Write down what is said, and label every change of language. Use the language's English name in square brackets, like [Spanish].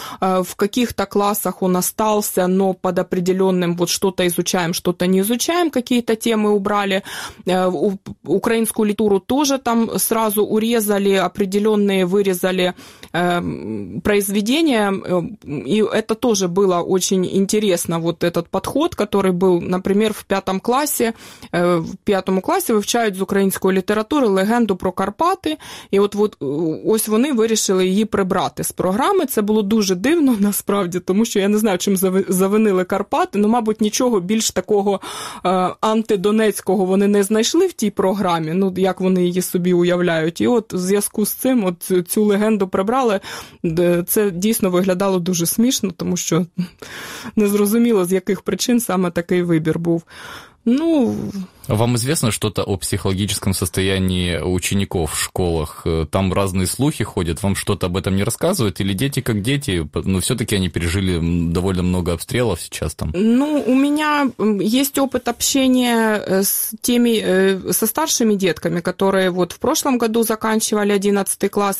[Russian] В каких-то классах он остался, но под определенным вот что-то изучаем, что-то не изучаем, какие-то темы убрали. Украинскую литературу тоже там сразу урезали, определенные вырезали произведения, и это тоже было очень интересно, вот этот подход, который был, например, в пятом классе. [Ukrainian] В пятом классе вивчають з української літератури легенду про Карпати, і ось вони вирішили її прибрати з програми. Це було дуже дивно, насправді, тому що я не знаю, чим завинили Карпати, ну, мабуть, нічого більш такого антидонецького вони не знайшли в тій програмі, ну, як вони її собі уявляють. І от в зв'язку з цим от цю легенду прибрали, це дійсно виглядало дуже смішно, тому що не зрозуміло, з яких причин саме такий вибір був. [Russian] Ну, вам известно что-то о психологическом состоянии учеников в школах? Там разные слухи ходят, вам что-то об этом не рассказывают? Или дети как дети? Но все-таки они пережили довольно много обстрелов сейчас там. Ну, у меня есть опыт общения с теми, со старшими детками, которые вот в прошлом году заканчивали 11 класс.